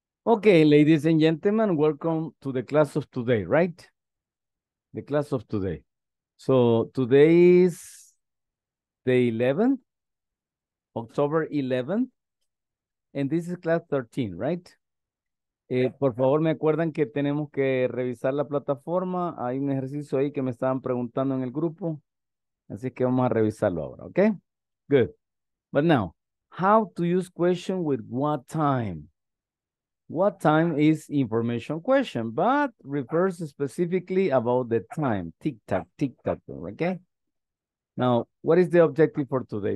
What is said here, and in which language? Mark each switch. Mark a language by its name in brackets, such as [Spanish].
[English] Okay, ladies and gentlemen, welcome to the class of today, right? The class of today. So today is the 11th, October 11th, and this is class 13, right? [Spanish] Por favor, me acuerdan que tenemos que revisar la plataforma. Hay un ejercicio ahí que me estaban preguntando en el grupo. Así que vamos a revisarlo ahora, okay? Good. [English] But now, how to use question with what time? What time is information question, but refers specifically about the time. Tic-tac, tic-tac, okay? Now, what is the objective for today?